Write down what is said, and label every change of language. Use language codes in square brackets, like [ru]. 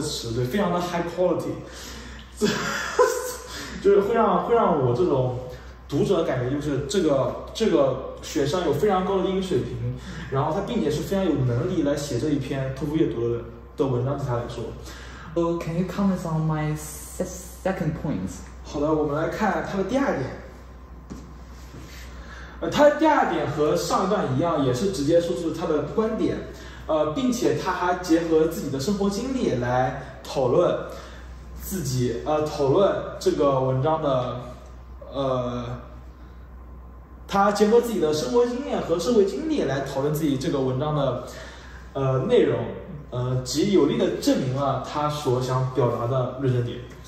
[zh] 词，对，非常的 [en] high quality， [zh] 就是会让我这种读者感觉就是这个学生有非常高的英语水平，然后他并且是非常有能力来写这一篇TOEFL阅读的文章，对他来说。 [en] Can you comment on my second point? [zh] 好的，我们来看他的第二点。他的第二点和上一段一样，也是直接说出他的观点，并且他还结合自己的生活经历来讨论自己，讨论这个文章的，他结合自己的生活经验和社会经历来讨论自己这个文章的内容，极有力的证明了他所想表达的论证点。